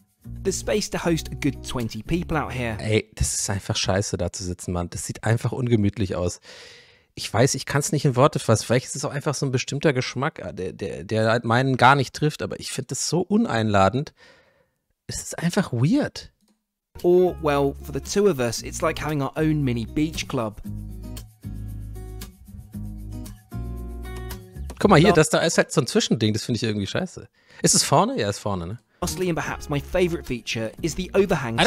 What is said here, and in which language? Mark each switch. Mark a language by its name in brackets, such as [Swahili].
[English] There's space to host a good 20 people out here. [German] Ey, das ist einfach scheiße, da zu sitzen, Mann. Das sieht einfach ungemütlich aus. Ich weiß, ich kann es nicht in Worte fassen. Vielleicht ist es auch einfach so ein bestimmter Geschmack, der meinen gar nicht trifft. Aber ich finde das so uneinladend. Es ist einfach weird. [English] Or, well, for the two of us, it's like having our own mini beach club. [German] Guck mal hier, das da ist halt so ein Zwischending, das finde ich irgendwie scheiße. Ist es vorne? Ja, ist vorne, ne? [English] Lastly and perhaps my favorite feature is the overhang